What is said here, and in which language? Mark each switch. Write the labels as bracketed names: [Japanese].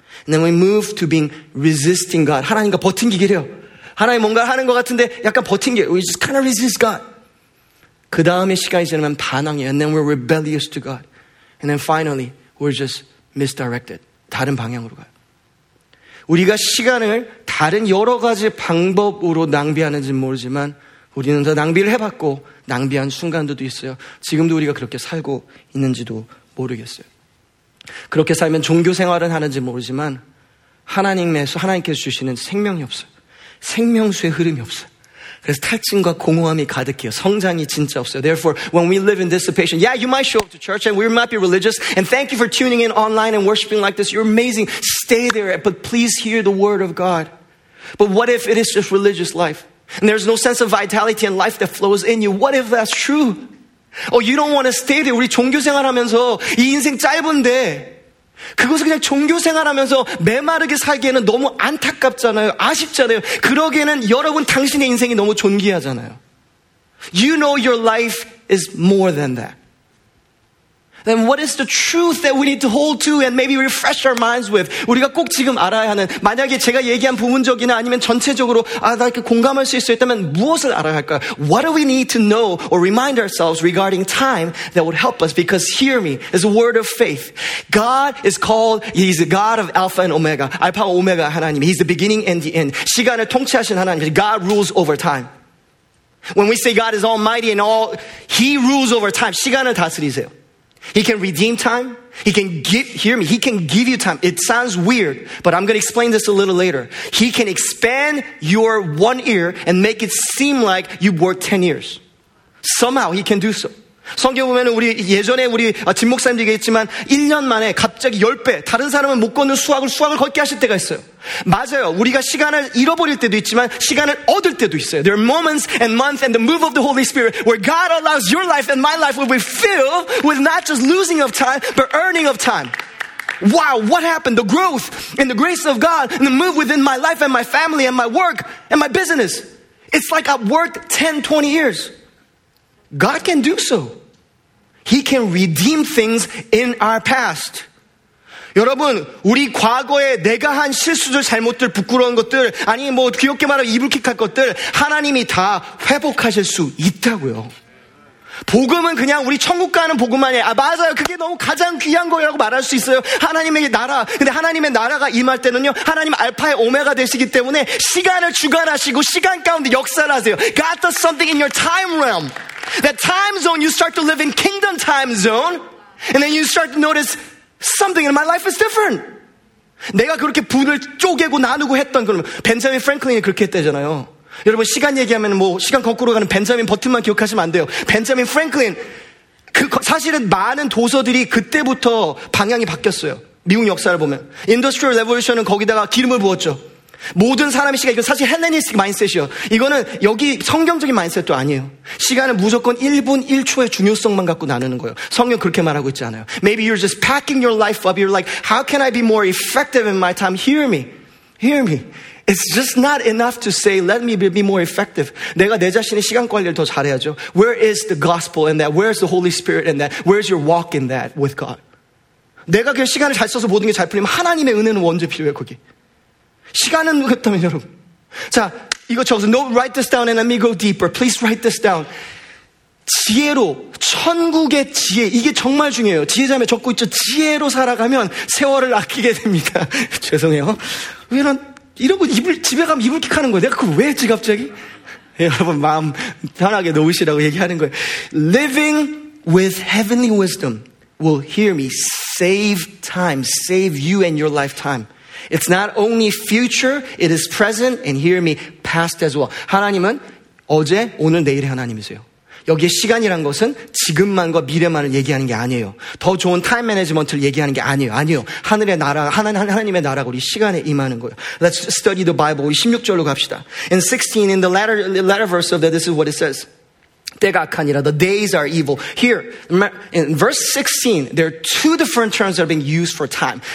[English] And then we move to being resisting God. [Korean] 하나님과 버팅기기래요. 하나님 뭔가 하는 것 같은데 약간 버팅기. [English] We just kind of resist God. [Korean] 그 다음에 시간이 지나면 반항이에요. [English] And then we're rebellious to God. And then finally we're just misdirected. [Korean] 다른 방향으로 가요. 우리가 시간을 다른 여러 가지 방법으로 낭비하는지 모르지만 우리는 더 낭비를 해봤고 낭비한 순간들도 있어요. 지금도 우리가 그렇게 살고 있는지도 모르겠어요. 그렇게 살면 종교 생활은 하는지 모르지만 하나님에서 하나님께서 주시는 생명이 없어요. 생명수의 흐름이 없어요. 그래서 탈진과 공허함이 가득해요. 성장이 진짜 없어요. [English] Therefore, when we live in dissipation, yeah, you might show up to church and we might be religious and thank you for tuning in online and worshiping like this. You're amazing. Stay there, but please hear the word of God. But what if it is just religious life? And there's no sense of vitality and life that flows in you. What if that's true? Oh, you don't want to stay there. [Korean] 우리 종교 생활하면서 이 인생 짧은데 그것을 그냥 종교 생활하면서 메마르게 살기에는 너무 안타깝잖아요. 아쉽잖아요. 그러기에는 여러분 당신의 인생이 너무 존귀하잖아요. [English] You know your life is more than that. Then what is the truth that we need to hold to and maybe refresh our minds with? [Korean] 우리가 꼭 지금 알아야 하는 만약에 제가 얘기한 부분적이나 아니면 전체적으로 아, 나 이렇게 공감할 수 있었다면 무엇을 알아야 할까요? [English] What do we need to know or remind ourselves regarding time that would help us? Because hear me, it's a word of faith. God is called, He's the God of Alpha and Omega. Alpha and Omega 하나님. He's the beginning and the end. [Korean] 시간을 통치하신 하나님. [English] God rules over time. When we say God is almighty and all, He rules over time. [Korean] 시간을 다스리세요. [English] He can redeem time. He can give, hear me, He can give you time. It sounds weird, but I'm going to explain this a little later. He can expand your one ear and make it seem like you've worked 10 years. Somehow He can do so. [Korean] 성경 보면 우리 예전에 우리 진 목사님도 얘기했지만 1년 만에 갑자기 10배 다른 사람은 못 걷는 수확을 걷게 하실 때가 있어요. 맞아요. 우리가 시간을 잃어버릴 때도 있지만 시간을 얻을 때도 있어요. [English] There are moments and months and the move of the Holy Spirit where God allows your life and my life will be filled with not just losing of time but earning of time. Wow, what happened? The growth and the grace of God and the move within my life and my family and my work and my business. It's like I've worked 10, 20 years. God can do so. He can redeem things in our past. [Korean] 여러분, 우리 과거에 내가 한 실수들, 잘못들, 부끄러운 것들, 아니 뭐 귀엽게 말하면 이불킥할 것들 하나님이 다 회복하실 수 있다고요. 복음은 그냥 우리 천국 가는 복음만이에요. 아, 맞아요. 그게 너무 가장 귀한 거라고 말할 수 있어요. 하나님의 나라. 근데 하나님의 나라가 임할 때는요. 하나님 알파의 오메가 되시기 때문에 시간을 주관하시고 시간 가운데 역사를 하세요. [English] God does something in your time realm. That time zone, you start to live in kingdom time zone. And then you start to notice something in my life is different. [Korean] 내가 그렇게 분을 쪼개고 나누고 했던 그런 벤자민 프랭클린이 그렇게 했대잖아요. 여러분 시간 얘기하면 뭐 시간 거꾸로 가는 벤자민 버튼만 기억하시면 안 돼요. 벤자민 프랭클린 그 사실은 많은 도서들이 그때부터 방향이 바뀌었어요. 미국 역사를 보면 인더스트리얼 레볼루션은 거기다가 기름을 부었죠. 모든 사람의 시간 이거 사실 헬레니스틱 마인셋이요. 이거는 여기 성경적인 마인셋도 아니에요. 시간은 무조건 1분 1초의 중요성만 갖고 나누는 거예요. 성경 그렇게 말하고 있지 않아요. [English] Maybe you're just packing your life up. You're like, how can I be more effective in my time? Hear me. Hear me. It's just not enough to say, let me be more effective. [Korean] 내가 내 자신의 시간 관리를 더 잘해야죠. [English] Where is the gospel in that? Where is the Holy Spirit in that? Where is your walk in that with God? [Korean] 내가 그 시간을 잘 써서 모든 게 잘 풀리면 하나님의 은혜는 언제 필요해요, 거기? 시간은 그렇다면 여러분. 자, 이거 적어서 [English] no, write this down and let me go deeper. Please write this down. [Korean] 지혜로, 천국의 지혜. 이게 정말 중요해요. 지혜자매 적고 있죠. 지혜로 살아가면 세월을 아끼게 됩니다. 죄송해요. 왜냐면 이러고 이불 집에 가면 이불킥 하는 거예요. 내가 그걸 왜 했지 갑자기? 여러분 마음 편하게 놓으시라고 얘기하는 거예요. [English] Living with heavenly wisdom will hear me save time, save you and your lifetime. It's not only future, it is present, and hear me, past as well. [Korean] 하나님은 어제, 오늘, 내일의 하나님이세요. 여기에 시간이란 것은 지금만과 미래만을 얘기하는 게 아니에요. 더 좋은 타임 매니지먼트를 얘기하는 게 아니에요. 아니요. 하늘의 나라, 하나님의 나라가 우리 시간에 임하는 거예요. [English] Let's study the Bible. [Korean] 우리 16절로 갑시다. [English] In 16, in the latter verse of that, this is what it says. [Korean] 때가 악하니라. [English] The days are evil. Here, in verse 16, there are two different terms that are being used for time.